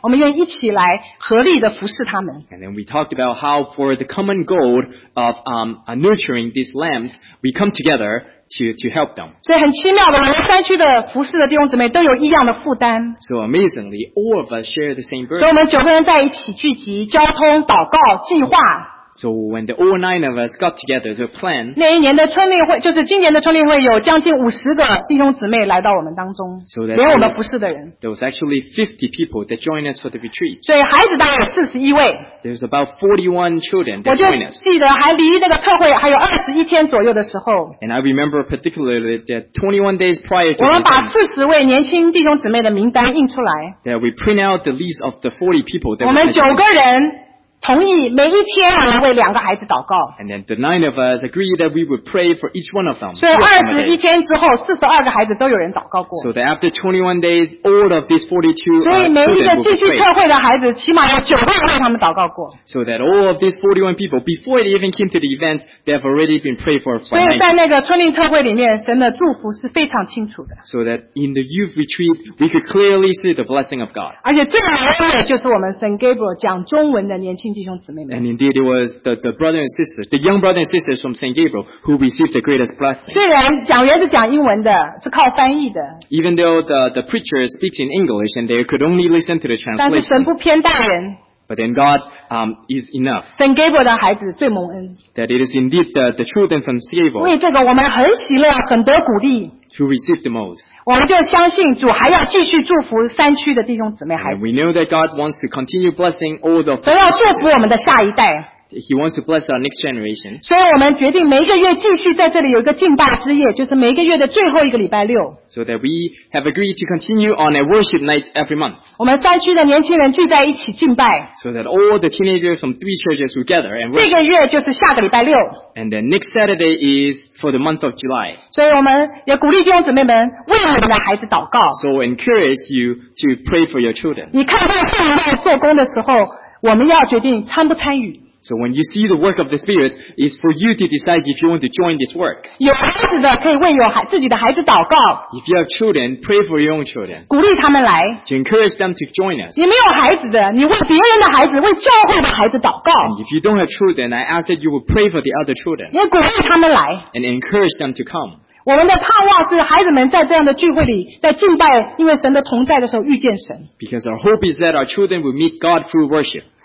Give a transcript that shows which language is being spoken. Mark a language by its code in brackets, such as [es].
[zh] 我们讲到说我们所服侍的群羊，我们的盼望，我们盼望他们得复兴，他们能够遇见主、爱主，我们愿意一起来合力的服侍他们。 [en] And then we talked about how for the common goal of nurturing these lambs, we come together to help them. [zh] 所以很奇妙的，我们山区的服侍的弟兄姊妹都有一样的负担。 [en] So amazingly, all of us share the same burden. [zh] 所以我们9个人在一起聚集，交通、祷告、计划。 [en] So when the all nine of us got together to plan, [zh] 那一年的春令会，就是今年的春令会，有将近50个弟兄姊妹来到我们当中， so、连我们服侍的人。 [en] There was actually 50 people that joined us for the retreat. [zh] 所以孩子大概41位。 [en] There was about 41 children that joined us. [zh] 我就记得还离那个特会还有21天左右的时候。 [en] And I remember particularly that 21 days prior to. [zh] 我们把40位年轻弟兄姊妹的名单印出来。 [en] That we print out the list of the 40 people that. [zh] 我们9个人。同意每一天我们为两个孩子祷告。 [en] And then the nine of us agreed that we would pray for each one of them. [zh] 所以21天之后，42个孩子都有人祷告过。 [en] So that after 21 days, all of these 42 children [zh] 所以每一个继续特会的孩子，起码有9个人为他们祷告过。 [en] So that all of these 41 people, before they even came to the event, they have already been prayed for. [zh] 所以在那个春令特会里面，神的祝福是非常清楚的。 [en] So that in the youth retreat, we could clearly see the blessing of God. [zh] 而且最美的就是我们圣 Gabriel 讲中文的年轻。 [en] And indeed, it was the brother and sisters, the young brother and sisters from St. Gabriel who received the greatest blessing. [zh] 虽然讲员是讲英文的，是靠翻译的。 [en] Even though the preacher speaks in English and they could only listen to the translation. [zh] 但是神不偏待人。 [en] But then God is enough. [zh] 神给我的孩子最蒙恩。 [en] That it is indeed the truth and from Gabriel. [zh] 为这个我们很喜乐，很得鼓励。 [en] To receive the most. [zh] 我们就相信主还要继续祝福山区的弟兄姊妹孩子。 [en] And we know that God wants to continue blessing all the. [zh] 神要祝福我们的下一代。 [en] He wants to bless our next generation. [zh] 所以我们决定每个月继续在这里有一个敬拜之夜，就是每个月的最后一个礼拜六。 [en] So that we have agreed to continue on a worship night every month. [zh] 我们山区的年轻人聚在一起敬拜。 [en] So that all the teenagers from three churches together and worship. [zh] 这个月就是下个礼拜六。 [en] And then next Saturday is for the month of July. [zh] 所以我们也鼓励弟兄姊妹们为我们的孩子祷告。 [en] So encourage you to pray for your children. [zh] 你看到上帝在做工的时候，我们要决定参不参与。 [en] So when you see the work of the Spirit, it's for you to decide if you want to join this work. [zh] 有孩子的可以为自己的孩子祷告。 [en] If you have children, pray for your own children. [zh] 鼓励他们来。 [en] To encourage them to join us. [zh] 你没有孩子的，你为别人的孩子，为教会的孩子祷告。 [en] And if you don't have children, I ask that you will pray for the other children. [zh] 也鼓励他们来。 [en] And encourage them to come. [zh] 我们的盼望是孩子们在这样的聚会里，在敬拜，因为神的同在的时候遇见神。 [en] Because our hope is that our children will meet God through worship.